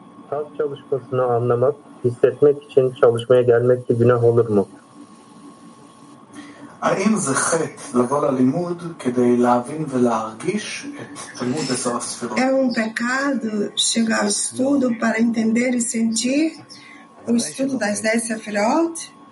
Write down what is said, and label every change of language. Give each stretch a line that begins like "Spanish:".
Turkish: Halk çalışmasını anlamak, hissetmek için çalışmaya gelmek bir günah olur mu?
Hebrew: האם זה חטא לבוא ללימוד כדי להבין ולהרגיש את לימוד עשר הספירות?
Portuguese: É pecado chegar ao estudo para entender e sentir o estudo das dez sefirot?